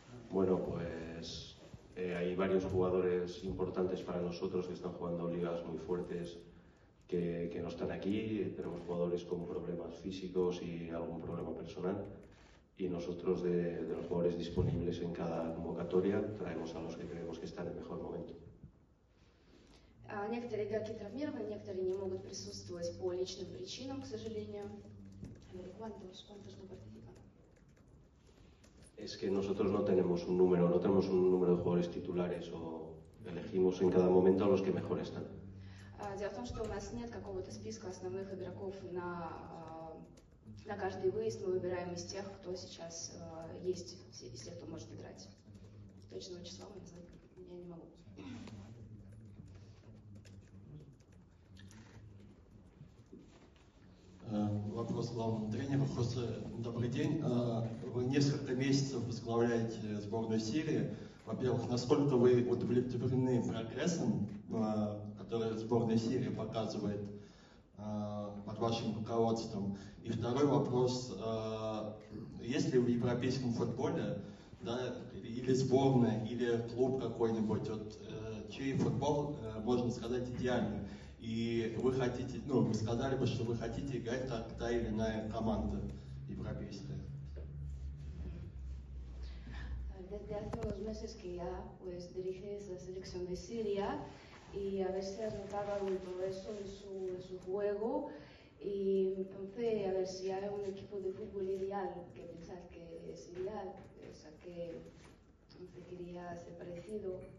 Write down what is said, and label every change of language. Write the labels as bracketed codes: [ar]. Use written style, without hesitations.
[es] Bueno, pues hay varios jugadores importantes para nosotros que están jugando ligas muy fuertes que no están aquí. Tenemos jugadores con problemas físicos y algún problema personal. Y nosotros, de los jugadores disponibles en cada convocatoria, traemos a los que creemos que están en mejor momento. [ru] Некоторые игроки травмированы, некоторые не могут присутствовать по личным причинам, к сожалению. [es] ¿Cuántos no participan? Es que nosotros no tenemos un número de jugadores titulares o elegimos en cada momento a los que mejor están. [ru] Дело в том, что у нас нет какого-то списка основных игроков на каждый выезд. Мы выбираем из тех, кто сейчас есть, из тех, кто может играть. Точного числа мы не знаем, я не могу. Вопрос главному тренеру. Хосе, добрый день. Вы несколько месяцев возглавляете сборную Сирии. Во-первых, насколько вы удовлетворены прогрессом, который сборная Сирии показывает под вашим руководством? И второй вопрос. Есть ли в европейском футболе, да, или сборная, или клуб какой-нибудь, вот, чей футбол, можно сказать, идеальный? И вы хотите, ну, вы сказали бы, что вы хотите играть как та или иная команда европейская. [es] Desde hace unos meses que ya pues dirige esa selección de Siria y a ver si has notado algún progreso en su juego y entonces a ver si hay un equipo de fútbol ideal que pensás que es ideal, o sea que entonces quería ser parecido.